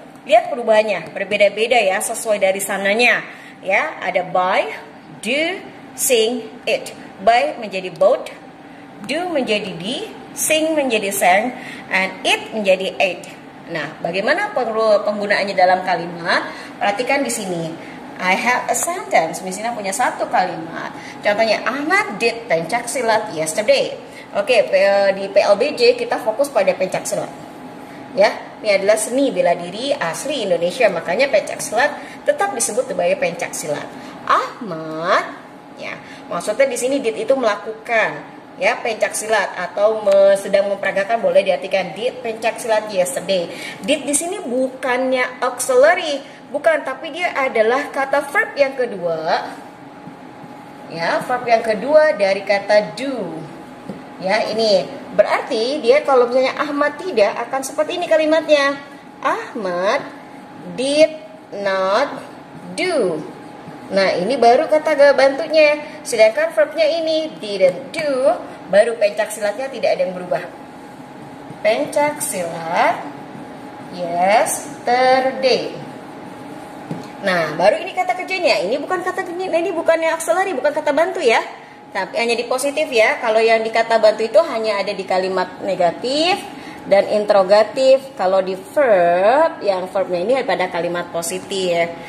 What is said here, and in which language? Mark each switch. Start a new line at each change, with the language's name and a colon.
Indonesian: Lihat perubahannya, berbeda-beda ya, sesuai dari sananya. Ya, ada buy, do, sing, it. Buy menjadi bought, do menjadi di, sing menjadi sang, and it menjadi ate. Nah, bagaimana penggunaannya dalam kalimat? Perhatikan di sini.
English: I have a sentence.
Indonesian: Misalnya punya satu kalimat. Contohnya,
English: Ahmad did pencak silat yesterday.
Indonesian: Oke, di PLBJ kita fokus pada pencaksilat. Ya, ini adalah seni bela diri asli Indonesia, makanya pencaksilat tetap disebut sebagai pencaksilat. Ahmad, ya, maksudnya di sini did itu melakukan, ya, pencaksilat atau sedang memperagakan, boleh diartikan did pencaksilat yesterday. Did di sini bukannya auxiliary, bukan, tapi dia adalah kata verb yang kedua. Ya, verb yang kedua dari kata do. Ya, ini berarti dia kalau misalnya Ahmad tidak akan seperti ini kalimatnya.
English: Ahmad did not do.
Indonesian: Nah, ini baru kata bantunya. Sedangkan verbnya ini didn't do, baru pencak silatnya tidak ada yang berubah.
English: Pencak silat yesterday.
Indonesian: Nah, baru ini kata kerjanya. Ini bukan kata kerjanya, ini bukan yang auxiliary, bukan kata bantu ya. Tapi hanya di positif ya. Kalau yang di kata bantu itu hanya ada di kalimat negatif dan interrogatif. Kalau di verb, yang verbnya ini pada kalimat positif.